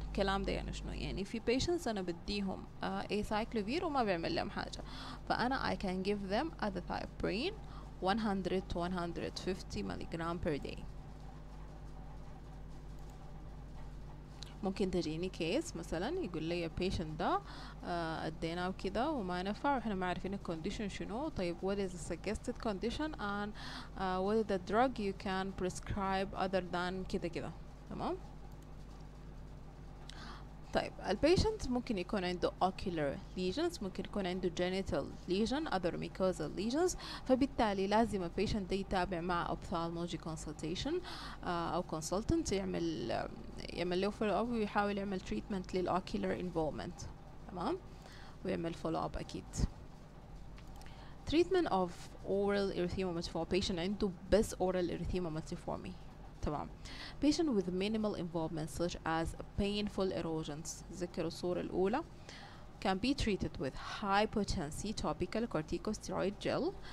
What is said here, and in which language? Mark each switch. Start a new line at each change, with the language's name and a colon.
Arabic: كلام ده يعني شنو؟ يعني في patients أنا بديهم acyclovir وما بعمل لهم حاجة، فأنا
English: I can give them azathioprine 100 to 150 milligram per day.
Arabic: ممكن تجيني كيس مثلا يقول لي patient ده أدينا وكذا وما نفع وإحنا ما عارفين condition شنو.
English: طيب what is the suggested condition and what is the drug you can prescribe other than
Arabic: كذا كذا. تمام. طيب البيشنت ممكن يكون عنده ocular lesions، ممكن يكون عنده genital lesion
English: other mucosal lesions،
Arabic: فبالتالي لازم البيشنت ده يتابع مع ophthalmology consultation أو consultant يعمل له follow up ويحاول يعمل treatment لل ocular involvement. تمام. ويعمل follow up أكيد.
English: treatment of oral erythema multiforme patient
Arabic: عنده بس
English: oral erythema multiforme.
Arabic: تمام.
English: patient with minimal involvement such as painful erosions
Arabic: ذكر الصورة الأولى
English: can be treated with high potency topical corticosteroid gel.